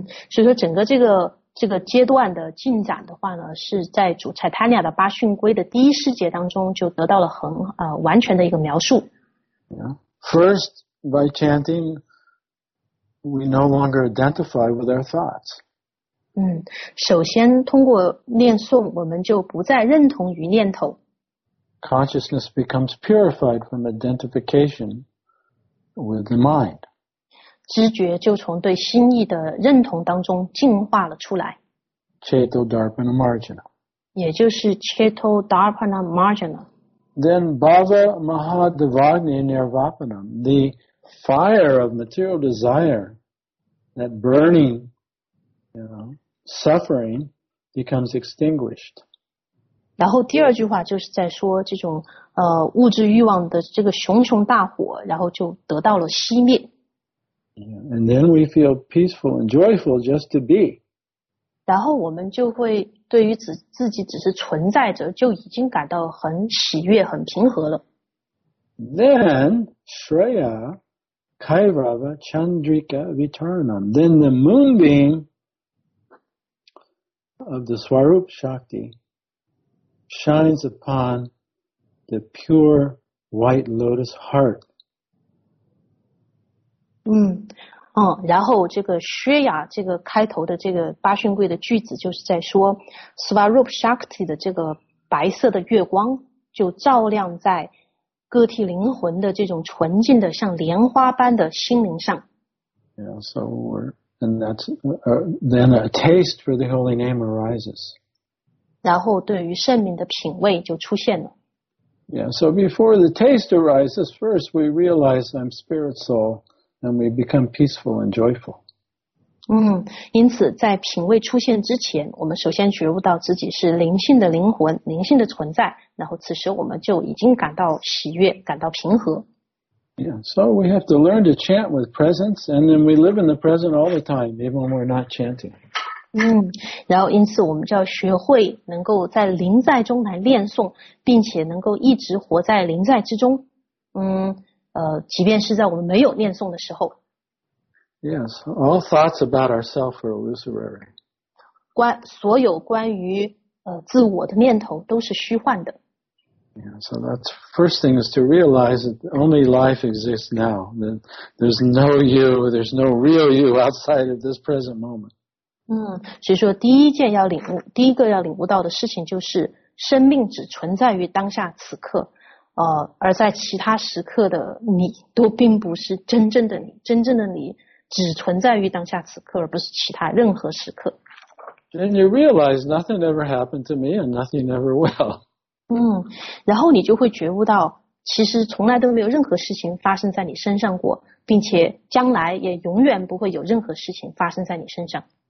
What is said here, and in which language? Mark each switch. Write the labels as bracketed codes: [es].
[zh] 所以说整个这个阶段的进展的话呢，是在主 Chaitanya 的八训规的第一世节当中就得到了完全的一个描述。 [en] First, by chanting,we no longer identify with our thoughts. [zh] 首先通过念诵，我们就不再认同于念头。 [en] Consciousness becomes purified from identification with the mind. [zh] 知觉就从对心意的认同当中净化了出来。 [sa] Cheto Dharpana Marjana. [zh] 也就是 [sa] Cheto Dharpana Marjana. [en] Then [sa] Bhava Mahadavagni Nirvapanam, [en] the fire of material desire. That burning, you know, suffering becomes extinguished. [zh] 然后第二句话就是在说这种物质欲望的这个熊熊大火，然后就得到了熄灭。 [en] And then we feel peaceful and joyful just to be. [zh] 然后我们就会对于自己只是存在着，就已经感到很喜悦、很平和了。 [en] Then Shreya. [sa] Kairava Chandrika Vitaranam. [en] Then the moonbeam of the Swarup Shakti shines upon the pure white lotus heart. [zh] 然后这个薛雅这个开头的这个八训规的句子就是在说 Swarup Shakti 的这个白色的月光就照亮在个体灵魂的这种纯净的像莲花般的心灵上。 [en] Yeah, so we're, and that's, then a taste for the holy name arises. [zh] 然后对于圣名的品味就出现了。 [en] Yeah, so before the taste arises, first we realize I'm spirit soul, and we become peaceful and joyful. [zh] 因此在品味出现之前，我们首先觉悟到自己是灵性的灵魂，灵性的存在，然后此时我们就已经感到喜悦，感到平和。 [en] Yeah, so we have to learn to chant with presence, and then we live in the present all the time, even when we're not chanting. [zh] 然后因此我们就要学会能够在临在中来练诵，并且能够一直活在临在之中。即便是在我们没有念诵的时候。 [en] Yes, all thoughts about ourselves are illusory. [zh] 所有关于自我的念头都是虚幻的。 [en] Yeah, so that's first thing is to realize that only life exists now. That there's no you, there's no real you outside of this present moment. [zh] 所以说第一个要领悟到的事情就是生命只存在于当下此刻。而在其他时刻的你都并不是真正的你，真正的你只存在于当下此刻，而不是其他任何时刻。 [en] Then you realize nothing ever happened to me and nothing ever will. [zh] 然后你就会觉悟到其实从来都没有任何事情发生在你身上过，并且将来也永远不会有任何事情发生在你身上。